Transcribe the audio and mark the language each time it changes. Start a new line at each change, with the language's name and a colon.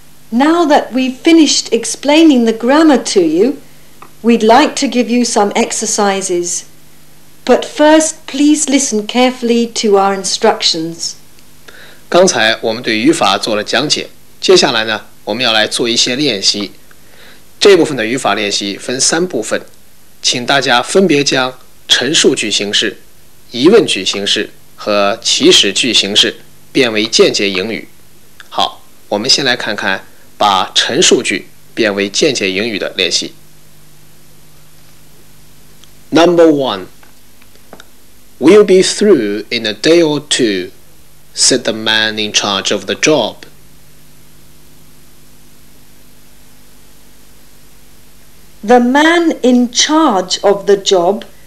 English: Now that we've finished explaining the grammar to you, we'd like to give you some exercises. But first, please listen carefully to our instructions.
Chinese: 刚才我们对语法做了讲解，接下来呢，我们要来做一些练习。这部分的语法练习分三部分，请大家分别将陈述句形式、疑问句形式和祈使句形式变为间接英语。好，我们先来看看把陈述句变为间接英语的练习。
English: Number one, we'll be through in a day or two, said the man in charge of the job. The man in charge of the job.